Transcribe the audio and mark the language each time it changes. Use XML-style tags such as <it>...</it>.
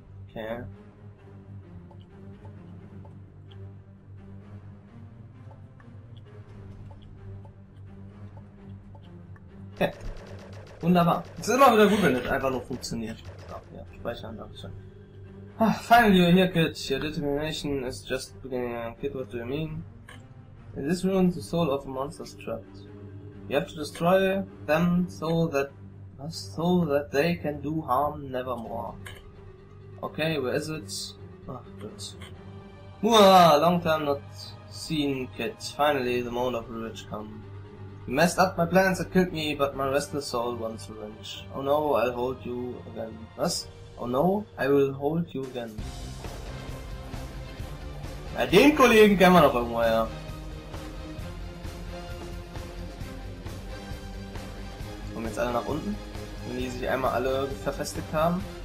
<en>Okay.</en> <de>Okay. Wunderbar. Es ist immer wieder gut, wenn es einfach nur funktioniert. Ach ja, speichern darf ich schon.</de> <en>Ah, finally you're here, kid. Your determination is just beginning. Kid, what do you mean? In this room, the soul of a monster is trapped. You have to destroy them so that they can do harm nevermore. Okay, where is it? Ah, good. Muah, long time not seen, kid. Finally, the moment of revenge come. You messed up my plans and killed me, but my restless soul wants revenge. Oh no, I'll hold you again.</en> <de>Was?</de> <en>Oh no, I will hold you again.</en> <de>Ja, den Kollegen kennen wir doch irgendwo, ja. Kommen jetzt alle nach unten, wenn die sich einmal alle verfestigt haben.</de>